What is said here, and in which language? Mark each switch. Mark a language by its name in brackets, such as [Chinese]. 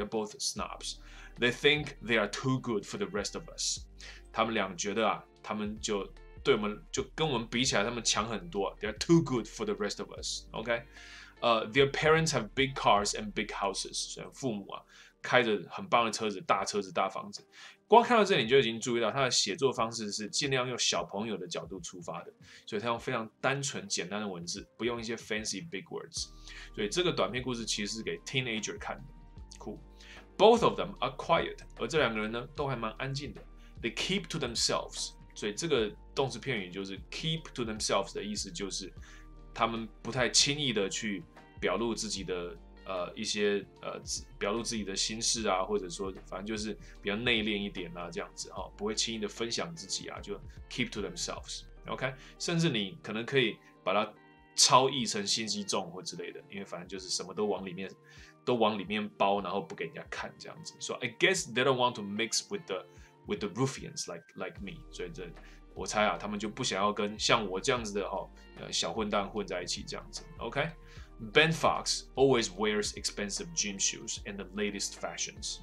[English] They are both snobsThey think they are too good for the rest of us. [Chinese] 他们俩觉得啊，他们就对我们就跟我们比起来，他们强很多。 [English] They are too good for the rest of us. OK， their parents have big cars and big houses. [Chinese] 所以父母啊，开着很棒的车子，大车子，大房子。光看到这里，你就已经注意到他的写作方式是尽量用小朋友的角度出发的，所以他用非常单纯简单的文字，不用一些 [English] fancy big words。 [Chinese] 所以这个短篇故事其实是给 teenager 看的，cool。 [English] Both of them are quiet， [Chinese] 而这两个人呢，都还蛮安静的。 [English] They keep to themselves， [Chinese] 所以这个动词片语就是 keep to themselves 的意思，就是他们不太轻易的去表露自己的一些表露自己的心事啊，或者说反正就是比较内敛一点啊，这样子哈、不会轻易的分享自己啊，就 keep to themselves。 OK， 甚至你可能可以把它超译成心机重或之类的，因为反正就是什么都往里面。都往里面包，然后不给人家看这样子。 [English] So I guess they don't want to mix with the ruffians like me。 [Chinese] 所以这我猜啊，他们就不想要跟像我这样子的小混蛋混在一起这样子。OK， [English] Ben Fox always wears expensive gym shoes and the latest fashions.